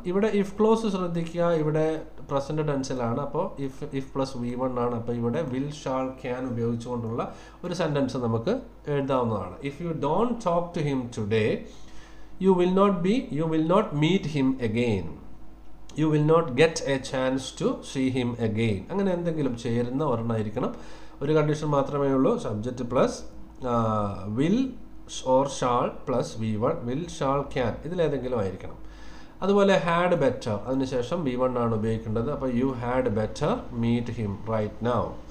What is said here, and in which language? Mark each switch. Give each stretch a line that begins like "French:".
Malayalam: ഇവിടെ if close ശ്രദ്ധിക്കുക, ഇവിടെ പ്രസൻ്റ് ടെൻസിലാണ്. അപ്പോൾ ഇഫ് പ്ലസ് വി വൺ ആണ്. അപ്പോൾ ഇവിടെ വിൽ ഷാൾ ക്യാൻ ഉപയോഗിച്ചുകൊണ്ടുള്ള ഒരു സെൻറ്റൻസ് നമുക്ക് എഴുതാവുന്നതാണ്.
English: If you don't talk to him today you will not be you will not meet him again. You will not get a chance to see him again.
Malayalam: അങ്ങനെ എന്തെങ്കിലും ചെയ്യരുന്ന ഒരെണ്ണമായിരിക്കണം. ഒരു condition മാത്രമേ ഉള്ളൂ, subject plus will or shall plus V one, will shawl can, ഇതിലേതെങ്കിലും ആയിരിക്കണം. അതുപോലെ had better, അതിനുശേഷം V one ആണ് ഉപയോഗിക്കേണ്ടത്. അപ്പോൾ
English: You had better meet him right now.